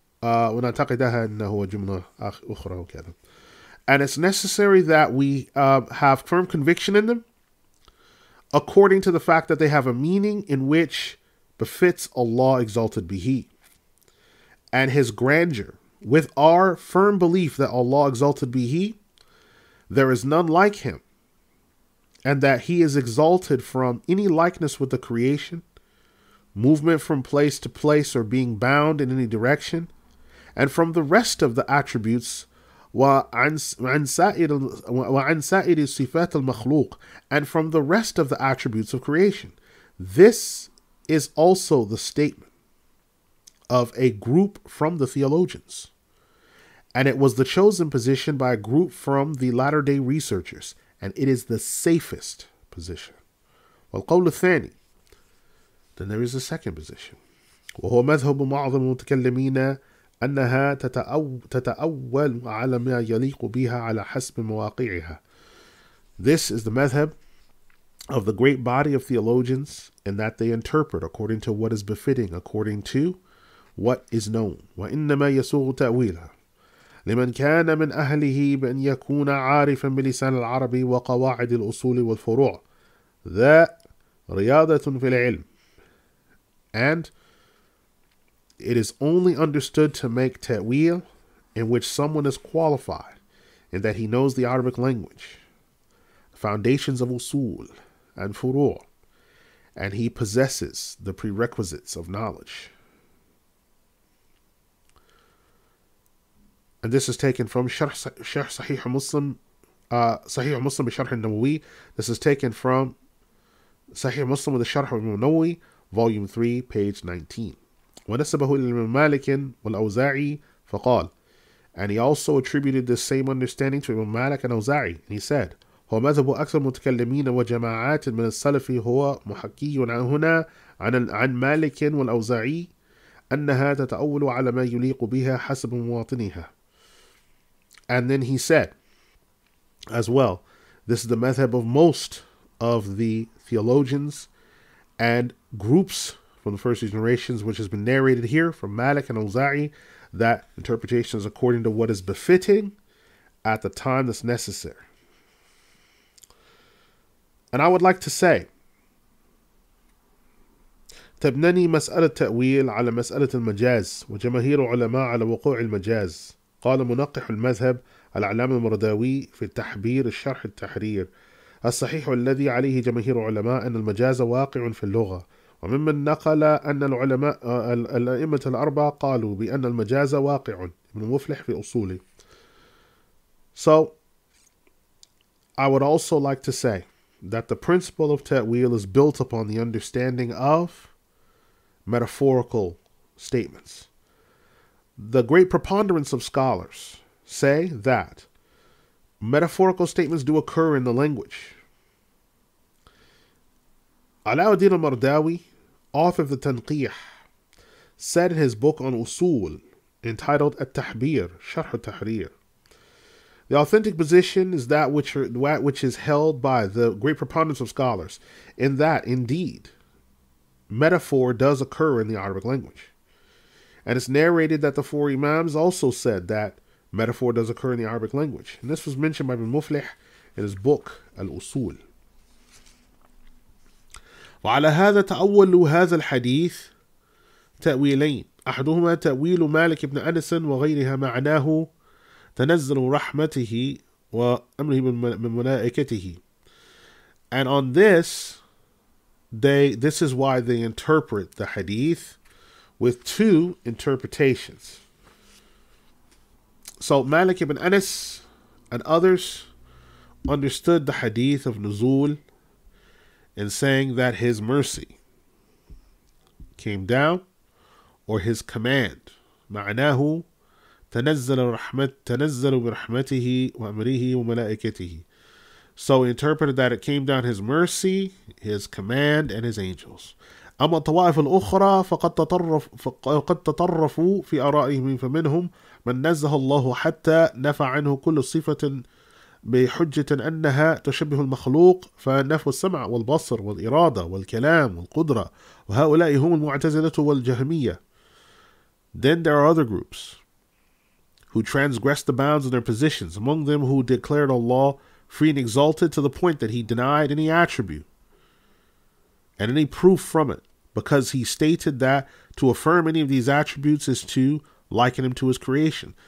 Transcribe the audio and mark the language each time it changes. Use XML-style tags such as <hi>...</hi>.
<ar>ونعتقدها أنه جملة أخرى وكذا.</ar> <en>And it's necessary that we have firm conviction in them according to the fact that they have a meaning in which befits Allah exalted be He and His grandeur. With our firm belief that Allah exalted be He, there is none like Him, and that He is exalted from any likeness with the creation, movement from place to place or being bound in any direction, and from the rest of the attributes</en> <ar>وَعَنْ سَائِرِ صِفَاتِ الْمَخْلُوقِ</ar> <en>and from the rest of the attributes of creation. This is also the statement of a group from the theologians. And it was the chosen position by a group from the latter-day researchers. And it is the safest position.</en> <ar>وَالْقَوْلُ الثَّانِي</ar> <en>Then there is a second position.</en> <ar>وَهُوَ مَذْهُبُ مَعْظَمُ مُتَكَلِّمِينَ أنها تتأول على ما يليق بها على حسب مواقعها.</ar> <en>This is the madhab of the great body of theologians in that they interpret according to what is befitting, according to what is known.</en> <ar>وإنما يسوغ تأويلها لمن كان من أهله بأن يكون عارفا بلسان العربي وقواعد الأصول والفروع ذا رياضة في العلم.</ar> <en>And it is only understood to make ta'wil in which someone is qualified and that he knows the Arabic language, foundations of usul and furu', and he possesses the prerequisites of knowledge. And this is taken from Sharh Sahih Muslim, Sahih Muslim bi Sharh an-Nawawi. This is taken from Sahih Muslim with the Sharh an-Nawawi, volume 3, page 19.</en> <ar>ونسبه إلى الإمام مالك والأوزاعي فقال</ar> <en>And he also attributed the same understanding to Imam Malik and Awza'i. And he said</en> <ar>هو مذهب أكثر متكلمين وجماعات من السلف هو محكي عن هنا عن مالك والأوزاعي أنها تتأول على ما يليق بها حسب مواطنها.</ar> <en>And then he said as well, this is the madhab of most of the theologians and groups from the first generations, which has been narrated here from Malik and Al-Za'i, that interpretation is according to what is befitting at the time that's necessary. And I would like to say,</en> <ar>تبنني مسألة التأويل على مسألة المجاز وجماهير علماء على وقوع المجاز قال منقح المذهب العلامة المرداوي في التحبير الشرح التحرير الصحيح الذي عليه جماهير علماء أن المجاز واقع في اللغة وممن نقل أن العلماء الأئمة الأربعة قالوا بأن المجاز واقع ابن مفلح في أصوله.</ar> <en>So, I would also like to say that the principle of ta'wil is built upon the understanding of metaphorical statements. The great preponderance of scholars say that metaphorical statements do occur in the language. Alauddin al-Mardawi, author of the Tanqih, said in his book on Usul, entitled At-Tahbir, Sharh At-Tahrir, the authentic position is that which is held by the great preponderance of scholars, in that, indeed, metaphor does occur in the Arabic language. And it's narrated that the four Imams also said that metaphor does occur in the Arabic language. And this was mentioned by Ibn Muflih in his book, Al-Usul.</en> <ar>وعلى هذا تأول هذا الحديث تأويلين أحدهما تأويل مالك بن أنس وغيرها معناه تنزل رحمته وأمره من ملائكته.</ar> <en>And on this, this is why they interpret the hadith with two interpretations. So Malik ibn Anas and others understood the hadith of Nuzul in saying that his mercy came down, or his command,</en> <ar>معناه تنزل برحمته وأمره وملائكته.</ar> <en>So he interpreted that it came down his mercy, his command, and his angels.</en> <ar>أما الطوائف الأخرى فقد تطرفوا في آرائهم فمنهم من نزه الله حتى نفى عنه كل صفة بحجة أنها تشبه المخلوق فنفوا السمع والبصر والإرادة والكلام والقدرة وهؤلاء هم المعتزلة والجهمية</ar> <en>Then there are other groups who transgressed the bounds of their positions, among them who declared Allah free and exalted to the point that he denied any attribute and any proof from it, because he stated that to affirm any of these attributes is to liken him to his creation.</en>